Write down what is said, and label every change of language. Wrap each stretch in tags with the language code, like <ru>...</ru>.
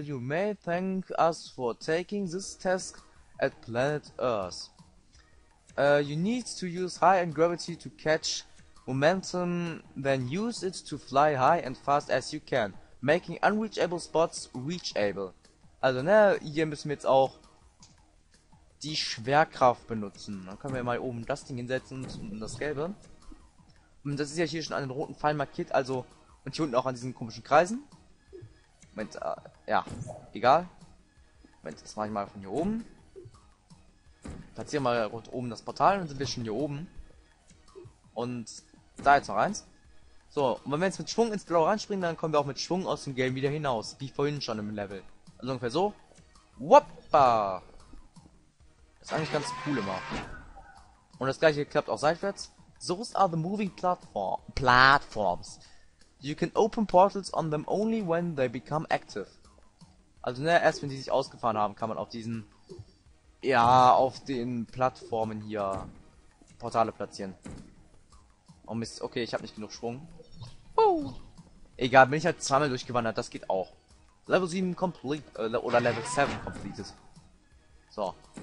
<en>You may thank us for taking this task at planet Earth. You need to use high and gravity to catch momentum, then use it to fly high and fast as you can, making unreachable spots reachable.</en> <de>Also, ne, hier müssen wir jetzt auch die Schwerkraft benutzen. Dann können wir mal oben das Ding hinsetzen und das Gelbe. Und das ist ja hier schon an den roten Pfeilen markiert, also, und hier unten auch an diesen komischen Kreisen. Moment, ja, egal. Moment, das mache ich mal von hier oben. Platziere mal rund oben das Portal und dann sind wir schon hier oben. Und da jetzt noch eins. So, und wenn wir jetzt mit Schwung ins Blau reinspringen, dann kommen wir auch mit Schwung aus dem Game wieder hinaus. Wie vorhin schon im Level. Also ungefähr so. Woppa! Das ist eigentlich ganz cool immer. Und das gleiche klappt auch seitwärts.</de> <en>Those are the moving platforms. You can open portals on them only when they become active.</en> <de>Also, ne, erst wenn die sich ausgefahren haben, kann man auf diesen, ja, auf den Plattformen hier Portale platzieren. Oh Mist, okay, ich habe nicht genug Schwung. Egal, bin ich halt zweimal durchgewandert, das geht auch.</de> <en>Level 7 complete, oder Level 7 completed. So.</en>